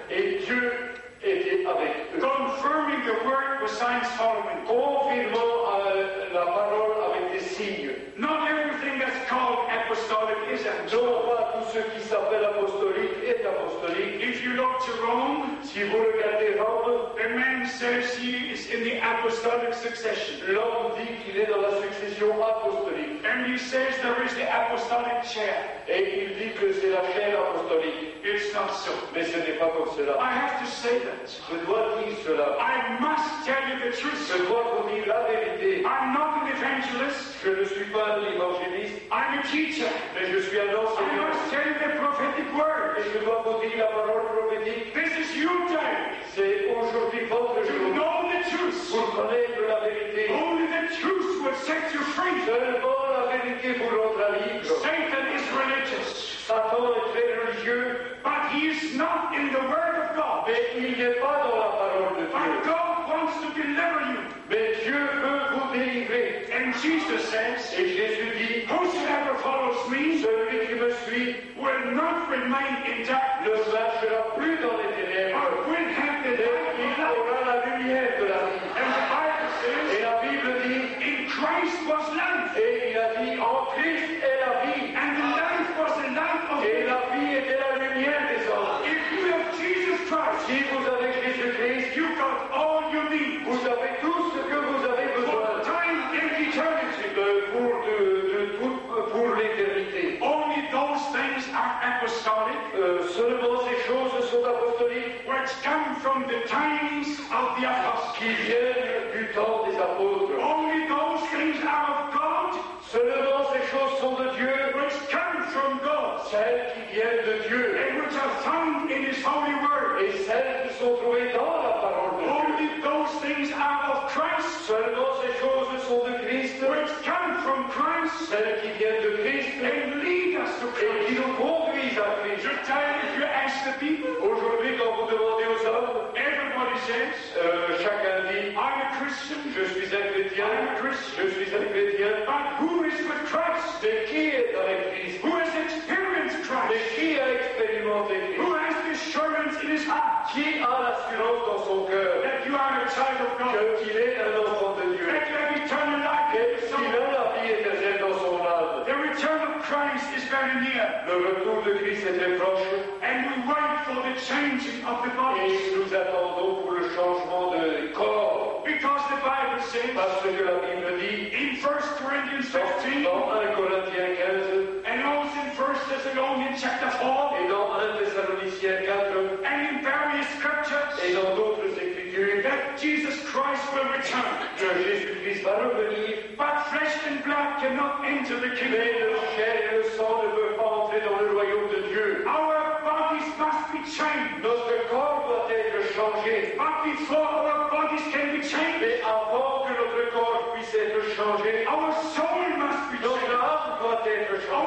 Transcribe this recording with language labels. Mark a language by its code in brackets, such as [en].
[fr] Et Dieu était avec eux. [en] Confirming the word with signs following. [fr] Confirmant la parole avec des signes. [en] Not everything that's called apostolic is apostolic. [fr] Non, pas tout ce qui s'appelle apostolique est apostolique. [en] If you look to Rome, [fr] si vous regardez Rome, [en] the man says he is in the apostolic succession. [fr] L'homme dit qu'il est dans la succession apostolique. [en] And he says there is the apostolic chair. [fr] Et il dit que c'est la chaire apostolique. [en] It's not so. [fr] Mais ce n'est pas comme cela. [en] I have to say that. [fr] Je dois dire cela. [en] I must tell you the truth. [fr] Je dois vous dire la vérité. [en] I'm not an evangelist. [fr] Je ne suis pas un évangéliste. [en] I'm a teacher. [fr] Mais je suis un enseignant. [en] I must tell you the prophetic word. [fr] Et je dois vous dire la parole prophétique. [en] This is your time. [fr] C'est aujourd'hui votre jour. [en] You know the truth. [fr] Pour connaître la vérité. [en] Only the truth will set you free. [fr] Seulement la vérité vous rendra libre. [en] Satan is religious. [fr] Satan est très religieux. [en] But he is not in the word of God. [fr] Mais il n'est pas dans la parole de Dieu. [en] But God wants to deliver you. [fr] Mais Dieu veut vous délivrer. [en] And Jesus says, [fr] et Jésus dit, [en] whosoever follows me, [fr] celui qui me suit, [en] will not remain in darkness. [fr] Ne marchera plus dans les ténèbres. [en] But will have the light. [fr] Il aura la lumière de la vie. [en] And the Bible says, [fr] et la Bible dit, [en] in Christ was life. [fr] Et il a dit, en Christ est la vie. [en] And the life was the light of [fr] et la vie était la lumière des hommes. [en] If you have Jesus Christ, [fr] si vous avez Jésus Christ, [en] you got all you need. [fr] Vous avez tout ce que vous avez besoin. [en] For time and eternity. [fr] Pour l'éternité. [en] Only those things are apostolic. [fr] Seulement ces choses sont apostoliques. [en] Which come from the times of the apostles. [fr] Qui viennent du temps des apôtres. [en] Only those things are of God. [fr] Seulement ces choses sont de Dieu. [en] Which come from God. [fr] Celles qui viennent de Dieu. [en] And which are found in His holy word. [fr] Et celles qui sont trouvées dans la parole de [en] Only [fr] Dieu. [en] Only those things are of Christ. [fr] Seulement ces choses sont de Christ. [en] Which come from Christ. [fr] Celles qui viennent de Christ. [en] And lead us to Christ. [fr] Et qui nous conduisent à Christ. Je tiens, [en] if you ask the people. [fr] Aujourd'hui, quand vous demandez aux hommes. [en] Everybody says. [fr] Chacun dit. [en] I'm a Christian. [fr] Je suis un chrétien. [en] I'm a Christian. [fr] Je suis un chrétien. [en] But who is with Christ? [fr] Mais qui est avec Christ? [en] Who has experienced Christ? [fr] Mais qui a expérimenté Christ? [en] Who has the assurance in his heart? [fr] Qui a l'assurance dans son cœur? [en] That you are a child of God. [fr] Qu'il est un enfant de Dieu. [en] That you have eternal life. [fr] Qu'il a la vie éternelle dans son âme. [en] The return of Christ is very near. [fr] Le retour de Christ est très proche. [en] And we wait for the changing of the body. [fr] Et nous attendons pour le changement de corps. [en] Because the Bible says, [fr] parce que la Bible dit, [en] in 1 Corinthians 15, [fr] dans 1 Corinthiens 15, [en] and also in 1 Thessalonians chapter 4, [fr] et dans 1 Thessaloniciens 4, [en] and in various scriptures, [fr] et dans d'autres écritures, [en] that Jesus Christ will return. [fr] Que Jésus-Christ va revenir, [en] but flesh and blood cannot enter the kingdom. [fr] Mais le chair et le sang ne peuvent pas entrer dans le royaume de Dieu. [en] Our bodies must be changed. [fr] Notre corps doit être changé. [en] But before our bodies can be changed, changed. [fr] Mais avant que notre corps puisse être changé, [en] our soul must be changed. [fr] Notre âme doit être changée.